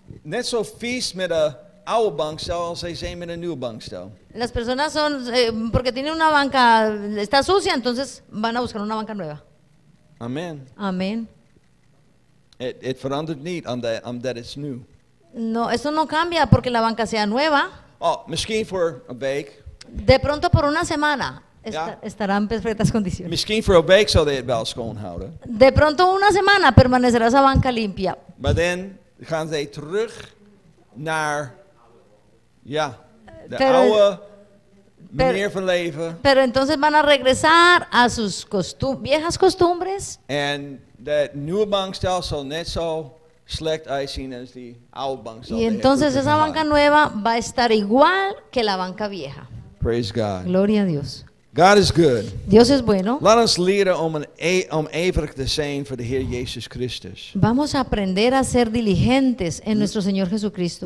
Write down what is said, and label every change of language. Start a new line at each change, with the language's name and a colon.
Dutch: net zo vies met een oude bankstel als ze zijn met een nieuwe bankstel.
Spanish: Las personas son porque tienen una banca está sucia, entonces van a buscar una banca nueva. Amén. Amén.
Dutch: It verandert niet omdat
English: it's new.
Spanish: No, eso no cambia porque la banca sea nueva.
Dutch: Oh, misschien voor een week.
Spanish: De pronto por una semana estará en perfectas condiciones.
Dutch: Misschien voor een week zal het wel schoon houden.
Spanish: De pronto una semana permanecerá esa banca limpia.
Dutch: Maar dan gaan ze terug naar de oude manier van leven.
Spanish: Pero entonces van a regresar a sus viejas costumbres.
Dutch: En dat nieuwe bankstel zal net zo slecht uitzien als die oude bankstel.
Spanish: Y entonces esa banca nueva va a estar igual que la banca vieja.
English: Praise God.
Spanish: Gloria a Dios.
English: God is good.
Spanish: Dios es bueno.
Dutch: Laat ons leren om ijverig te zijn voor de Heer Jezus Christus.
Spanish: Vamos a aprender a ser diligentes en nuestro Señor Jesucristo.